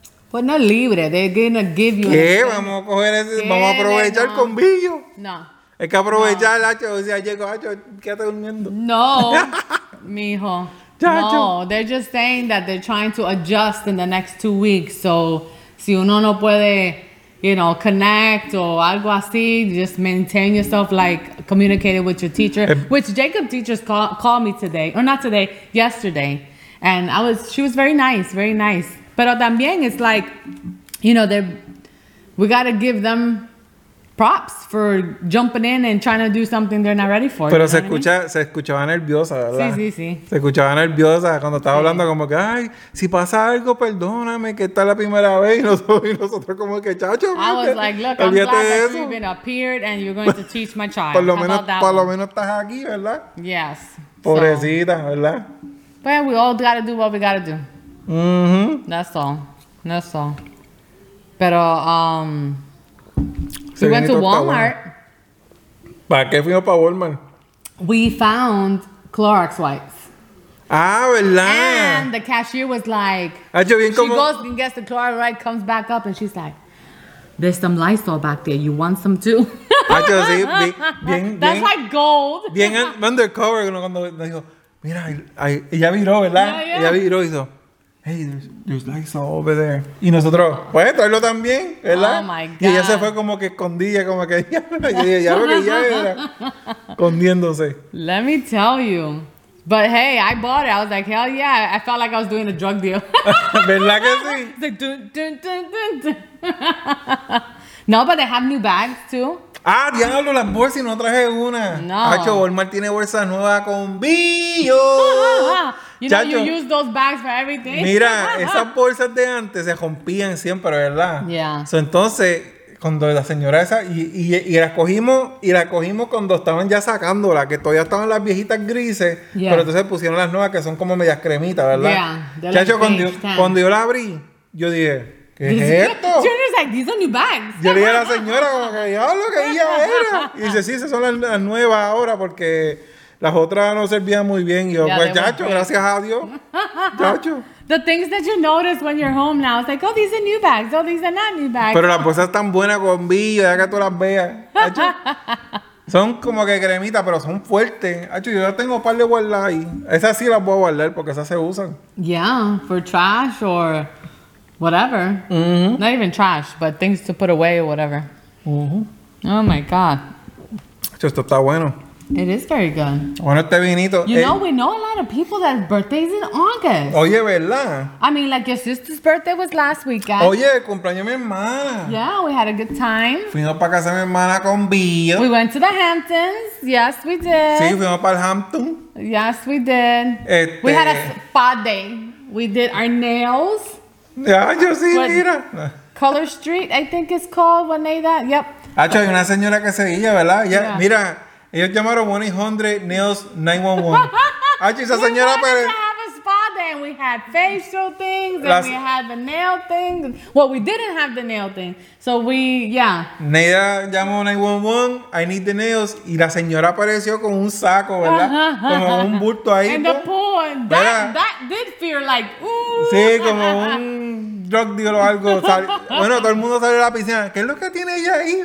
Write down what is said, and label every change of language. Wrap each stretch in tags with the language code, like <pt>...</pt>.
<es>Pues no libre,</es> <en>they're gonna give you...</en> <es>¿Qué? Vamos a coger ese... Vamos a aprovechar con billo. No. Es que aprovechar, Hacho. O sea, llego, Hacho, quédate durmiendo. No, mijo.</es> <en>No, they're just saying that they're trying to adjust in the next 2 weeks. So,</en> <es>si uno no puede,</es> <en>you know, connect</en> <es>o algo así,</es> <en>just maintain yourself, like, communicated with your teacher. Which Jacob teachers called me today, or not today, yesterday. And she was very nice, very nice.</en> <es>Pero también</es> <en>it's like, you know, we got to give them props for jumping in and trying to do something they're not ready for.</en> <es>Pero se escuchaba nerviosa, ¿verdad? Sí. Se escuchaba nerviosa cuando estaba hablando como que, ay, si pasa algo, perdóname, que esta es la primera vez. Y nosotros como que, chacho,</es> <en>I was like, look, I'm glad that you've been appeared and you're going to teach my child.</en> <es>Por lo menos estás aquí, ¿verdad?</es> <en>Yes.</en> <es>Pobrecita, ¿verdad?</es> <en>But we all got to do what we got to do. Mm-hmm. That's all. Pero, we went to Walmart.</en> <es>¿Para qué fuimos para Walmart?</es> <en>We found Clorox wipes.</en> <es>Ah, ¿verdad?</es> <en>And the cashier was like, she goes and gets the Clorox wipe, comes back up, and she's like, there's some Lysol back there. You want some too?</en> <es>Acho, sí, bien,</es> <en>that's like gold.</en> <es>Bien undercover. Cuando dijo, mira, ella viró, ¿verdad?</es> <en>Yeah, yeah.</en> <es>Ella viró y hizo,</es> <en>hey, there's Lysol over there.</en> <es>Y nosotros, pues, traerlo también, ¿verdad?</es> <en>Oh, my God.</en> <es>Y ella se fue como que escondida, como que ya lo que ya era, escondiéndose.</es> <en>Let me tell you. But, hey, I bought it. I was like, hell yeah. I felt like I was doing a drug deal. ¿Verdad que sí? It's like, dun, dun, dun, dun, dun. No, but they have new bags, too.</en> <es>Ah, diablo, las bolsas y no traje una. No. Hacho, Walmart tiene bolsa nueva con billo.</es> <en>You know, Chacho, you use those bags for everything.</en> <es>Mira, esas bolsas de antes se rompían siempre, ¿verdad?</es> <en>Yeah.</en> <es>So, entonces, cuando la señora esa... Y la cogimos cuando estaban ya sacándola, que todavía estaban las viejitas grises.</es> <en>Yeah.</en> <es>Pero entonces pusieron las nuevas, que son como medias cremitas, ¿verdad?</es> <en>Yeah.</en> <es>Chacho, cuando yo la abrí, yo dije, ¿qué es esto?</es> <en>Junior's like, these are new bags.</en> <es>Yo le dije a la señora, como que yo lo que ella era. Y dice, sí, esas son las nuevas ahora, porque... las otras no servían muy bien. Y yo, pues, chacho, gracias a Dios. Chacho.</es> <en>The things that you notice when you're home now. It's like, oh, these are new bags. Oh, these are not new bags.</en> <es>Pero las bolsas están buenas con billo. Ya que tú las veas. Chacho. Son como que cremitas, pero son fuertes. Chacho, yo ya tengo un par de guardas ahí. Esas sí las voy a guardar porque esas se usan.</es> <en>Yeah, for trash or whatever. Mm-hmm. Not even trash, but things to put away or whatever. Mm-hmm. Oh, my God.</en> <es>Chacho, esto está bueno.</es> <en>It is very good.</en> <es>Bueno, este vinito.</es> <en>You know, we know a lot of people that birthdays in August.</en> <es>Oye, ¿verdad?</es> <en>I mean, like, your sister's birthday was last weekend.</en> <es>Oye, cumpleaños mi hermana.</es> <en>Yeah, we had a good time.</en> <es>Fuimos para casa de mi hermana con Bill.</es> <en>We went to the Hamptons. Yes, we did.</en> <es>Sí, fuimos para el Hampton.</es> <en>Yes, we did. We had a spa day. We did our nails.</en> <es>Yeah, yo sí, mira.</es> <en>Color Street, I think it's called. One day that, yep.</en> <es>Hacho, hay una señora que seguía, ¿verdad? Ya, yeah. Mira. Ellos llamaron 1-800-NAILS-911. Ah, esa señora, pero...</es> <en>We wanted to have a spa day, and we had facial things, and we had the nail thing. Well, we didn't have the nail thing. So we, yeah. Neida llamó 911, I need the nails.</en> <es>Y la señora apareció con un saco, ¿verdad? Como un bulto ahí.</es> <en>And the pool. That did feel like, ooh.</en> <es>Sí, como un drug deal o algo. Bueno, todo el mundo sale de la piscina. ¿Qué es lo que tiene ella ahí?</es>